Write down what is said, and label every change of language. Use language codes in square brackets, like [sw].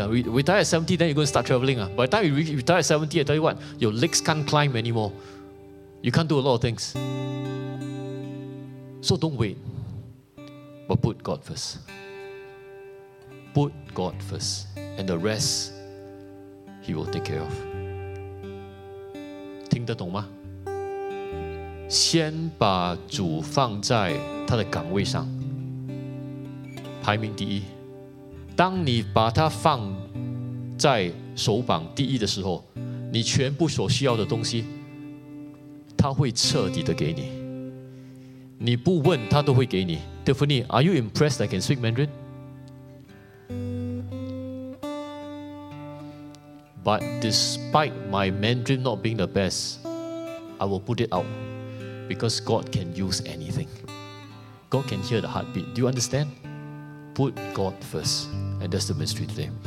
[en] Retire at 70, then you're going to start traveling. By the time you retire at 70, I tell you what, your legs can't climb anymore. You can't do a lot of things. So don't wait, but put God first. Put God first, and the rest He will take care of. [zh] 听得懂吗? 先把主放在他的岗位上, 排名第一, 当你把他放在首榜第一的时候, 你全部所需要的东西, 他会彻底的给你, 你不问他都会给你。 [en] Tiffany, are you impressed I can speak Mandarin? But despite my Mandarin not being the best, I will put it out, because God can use anything. God can hear the heartbeat. Do you understand? Put God first. And that's the mystery today.